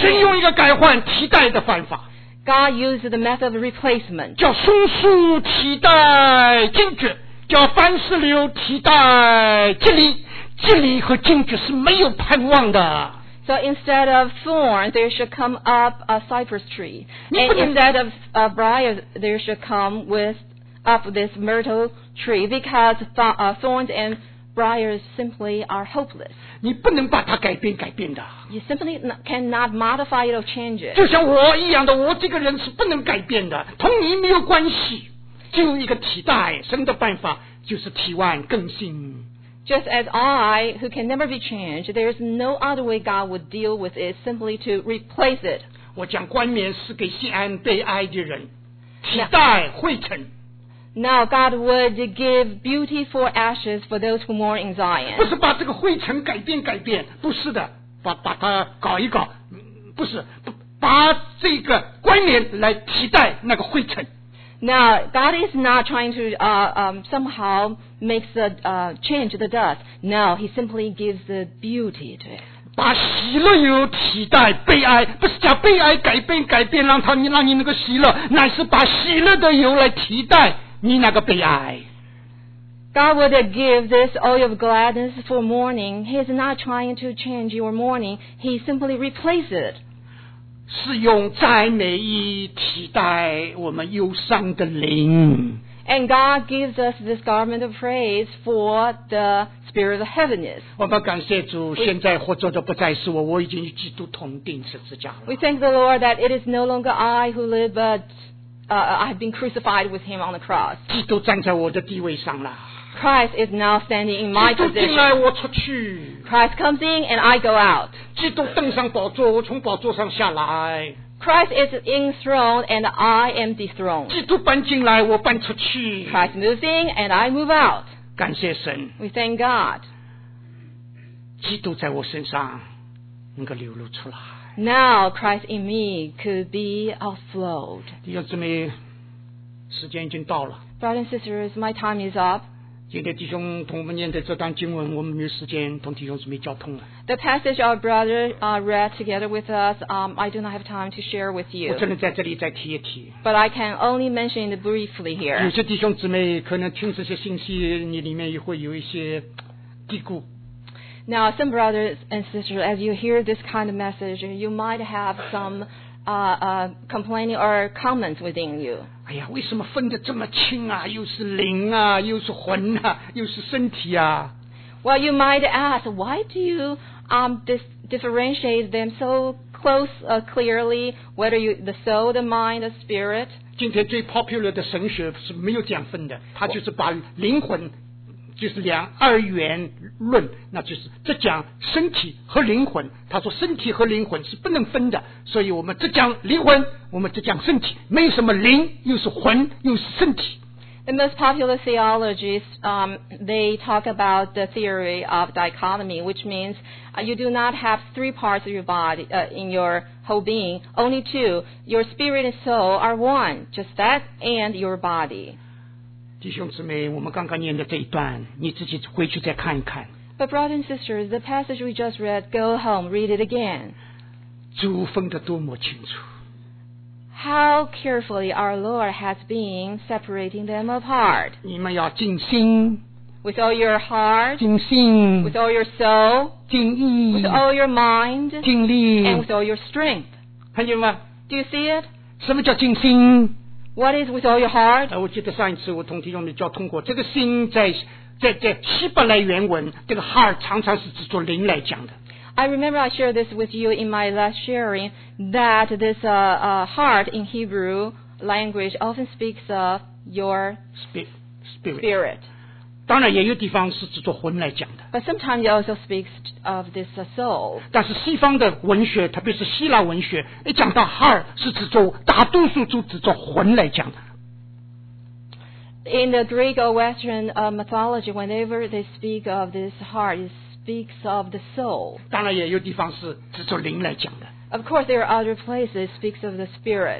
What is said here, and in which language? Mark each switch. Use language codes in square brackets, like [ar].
[zh] 神用一个改换替代的方法。 [en] God used the method of replacement. [zh] 叫松树替代荆棘，叫番石榴替代蒺藜。蒺藜和荆棘是没有盼望的。 [en] So instead of thorn, there should come up a cypress tree. And instead of a briar, there should come up this myrtle tree. Because thorns and briars simply are hopeless. [zh] 你不能把它改变的。 [en] You simply cannot modify it or change it. [zh] 就像我一样的，我这个人是不能改变的，同你没有关系，只有一个替代。神的办法就是替换更新。 [en] Just as I, who can never be changed, there is no other way God would deal with it, simply to replace it. [zh] 我将冠冕赐给锡安悲哀的人，期待会成。 [en] Now God would give beautiful ashes for those who mourn in Zion. [zh] 不是把这个灰尘改变改变，不是的，把它搞一搞，不是把这个冠冕来替代那个灰尘。 [en] Now God is not trying to somehow makes the change the dust. No, He simply gives the beauty to it. [zh] 把喜乐油替代悲哀，不是将悲哀改变改变，让他你让你那个喜乐，乃是把喜乐的油来替代你那个悲哀。 [en] God would give this oil of gladness for mourning. He is not trying to change your mourning. He simply replaces it. [zh] 是用赞美衣替代我们忧伤的灵。 [en] And God gives us this garment of praise for the spirit of heaviness. [zh] 我们感谢主，现在活着的不再是我，我已经与基督同钉十字架了。 [en] We thank the Lord that it is no longer I who live, but I have been crucified with Him on the cross. [zh] 基督站在我的地位上了。 [en] Christ is now standing in my position. [zh] 基督进来，我出去。 [en] Christ comes in and I go out. [zh] 基督登上宝座，我从宝座上下来。 [en] Christ is enthroned and I am dethroned. [zh] 基督搬进来，我搬出去。 [en] Christ moves in and I move out. [zh] 感谢神。 [en] We thank God. [zh] 基督在我身上能够流露出来。 [en] Now Christ in me could be outflowed. [zh] 弟兄姊妹，时间已经到了。 [en] Brothers and sisters, my time is up. [zh] 今天弟兄同我们念的这段经文，我们没有时间同弟兄姊妹交通了。 [en] The passage our brother read together with us, I do not have time to share with you. [zh] 我只能在这里再提一提。 [en] But I can only mention it briefly here. [zh] 有些弟兄姊妹可能听这些信息，你里面也会有一些嘀咕。 [en] Now, some brothers and sisters, as you hear this kind of message, you might have some complaining or comments within you. [zh] 哎呀，为什么分得这么清啊？又是灵啊，又是魂啊，又是身体啊。 [en] Well, you might ask, why do you differentiate them so close, clearly, whether you, the soul, the mind, the spirit? [zh] 今天最 popular 的神学是没有这样分的，它就是把灵魂就是两二元论，那就是只讲身体和灵魂。他说身体和灵魂是不能分的，所以我们只讲灵魂，我们只讲身体，没有什么灵，又是魂，又是身体。 [en] The most popular theologies, they talk about the theory of dichotomy, which means you do not have three parts of your body, in your whole being, only two. Your spirit and soul are one, just that and your body. [zh] 弟兄姊妹，我们刚刚念的这一段，你自己回去再看一看。 [en] But brothers and sisters, the passage we just read, go home, read it again. [zh] 主分得多么清楚。 [en] How carefully our Lord has been separating them apart. [zh] 你们要尽心。 [en] With all your heart. [zh] 尽心。 [en] With all your soul. [zh] 尽意。 [en] With all your mind. [zh] 尽力。 [en] And with all your strength. [zh] 看见吗？ [en] Do you see it? [zh] 什么叫尽心？ [en] What is with all your heart? [zh] 我记得上一次我同弟兄们交通过，这个心在希伯来原文，这个 heart 常常是指作灵来讲的。 [en] I remember I shared this with you in my last sharing that this heart in Hebrew language often speaks of your spirit. [zh] 当然也有地方是指作魂来讲的。 [en] But sometimes it also speaks of this soul. [zh] 但是西方的文学，特别是希腊文学，一讲到 heart 是指作大多数就指作魂来讲的。 [en] In the Greek or Western mythology, whenever they speak of this heart, it speaks of the soul. [zh] 当然也有地方是指作灵来讲的。 [en] Of course, there are other places that speaks of the spirit.